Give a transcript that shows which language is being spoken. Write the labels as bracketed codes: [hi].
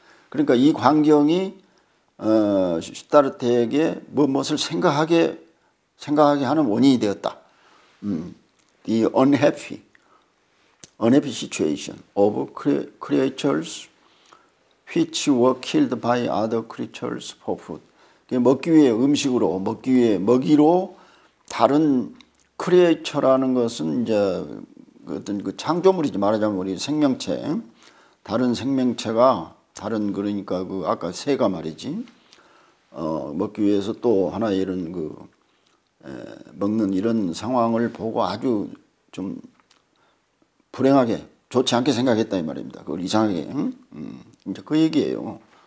[ko] 그러니까 이 광경이 시타르테에게 무엇을 생각하게 하는 원인이 되었다. [en] The unhappy situation of creatures which were killed by other creatures for food. [ko] 먹기 위해 음식으로, 먹기 위해 먹이로 다른 creature라는 것은 이제 어떤 그 창조물이지 말하자면 우리 생명체. 다른 생명체가 다른 그러니까 그 아까 새가 말이지. 먹기 위해서 또 하나 이런 그 먹는 이런 상황을 보고 아주 좀 불행하게 좋지 않게 생각했다 이 말입니다. 그걸 이상하게. 이제 그 얘기예요.